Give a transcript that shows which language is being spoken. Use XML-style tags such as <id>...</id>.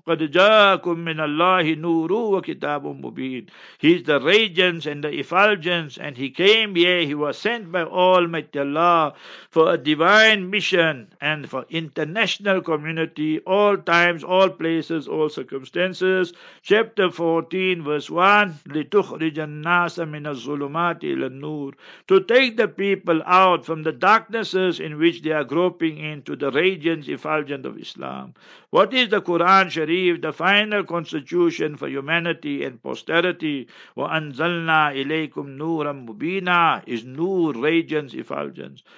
<ar>Qad jaakum min Allahi nuru wa kitabun mubeen.</ar> <en>He is the radiance and the effulgence, and he came here. He was sent by Almighty Allah for a divine mission and for international community, all times, all places, all circumstances. Chapter 14, verse 1.</en> <ar>لتخرج الناس من الظلمات إلى النور.</ar> <en>To take the people out from the darknesses in which they are groping into the radiance effulgent of Islam. What is the Quran Sharif, the final constitution for humanity and posterity?</en> <ar>Wa anzalna ilaykum nuran mubina,</ar> <en>is nur, radiance effulgence.</en>